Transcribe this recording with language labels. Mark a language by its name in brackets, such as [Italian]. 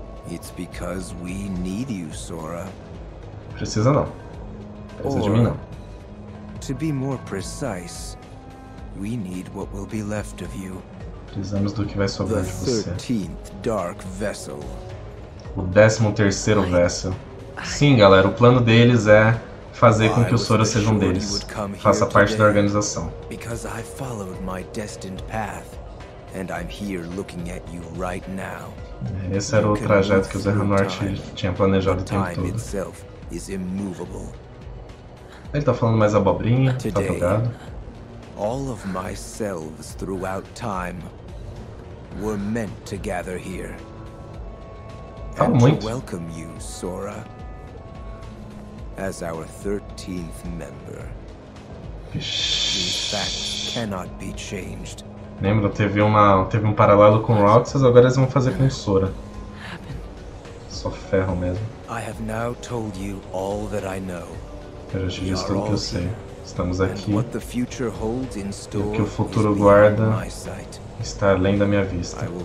[English] It's because we need you, Sora. [Portuguese] Precisa não. Precisa de mim não. [English] To be more precise, we need what will be left of you. [Portuguese] Precisamos do que vai sobrar de você. [English] The 13th Dark Vessel. [Portuguese] O 13º Vessel. Sim, galera, o plano deles é fazer com que o Sora seja um deles. Faça parte da organização. [English] Because I followed my destined path. And I'm here looking at you right now. [Portuguese] Esse era o trajeto que o Zerra Norte tinha planejado o tempo todo. Ele tá falando mais abobrinha, tá drogado. [English] All of my selves throughout time were meant to gather here. [Portuguese] Fala muito. [English] To welcome you, Sora, as our 13th member. Fact cannot be changed. [Portuguese] Lembra? Teve um paralelo com Roxas, agora eles vão fazer com Sora. Só ferro mesmo. Eu já te disse tudo que eu sei. Estamos aqui. E o que o futuro guarda está além da minha vista.